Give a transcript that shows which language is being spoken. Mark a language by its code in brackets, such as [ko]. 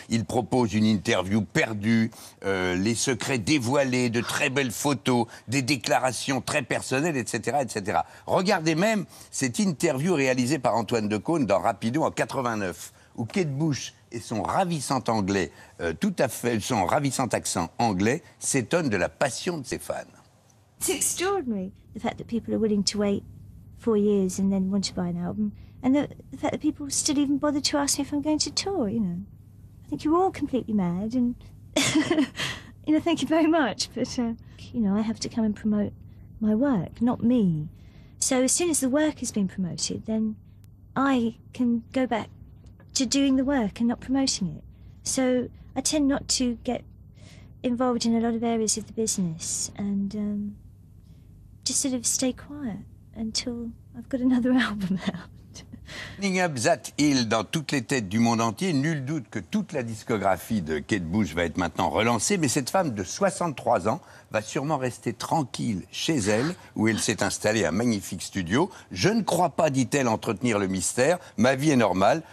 [fr] Ils proposent une interview perdue, les secrets dévoilés, de très belles photos, des déclarations très personnelles, etc., etc. Regardez même cette interview réalisée par Antoine Decaune dans Rapido en 89, où Kate Bush et son ravissant anglais, tout à fait son ravissant accent anglais, s'étonnent de la passion de ses fans. [en] It's extraordinary the fact that people are willing to wait 4 years and then want to buy an album, and the fact that people still even bother to ask me if I'm going to tour. You know, I think you're all completely mad, and you know, thank you very much, but you know, I have to come and promote my work, not me. So as soon as the work has been promoted, then I can go back to doing the work and not promoting it. So I tend not to get involved in a lot of areas of the business and just sort of stay quiet until I've got another album out. [fr] Running Up That Hill dans toutes les têtes du monde entier. Nul doute que toute la discographie de Kate Bush va être maintenant relancée. Mais cette femme de 63 ans va sûrement rester tranquille chez elle, où elle s'est installée un magnifique studio. Je ne crois pas, dit-elle, entretenir le mystère. Ma vie est normale.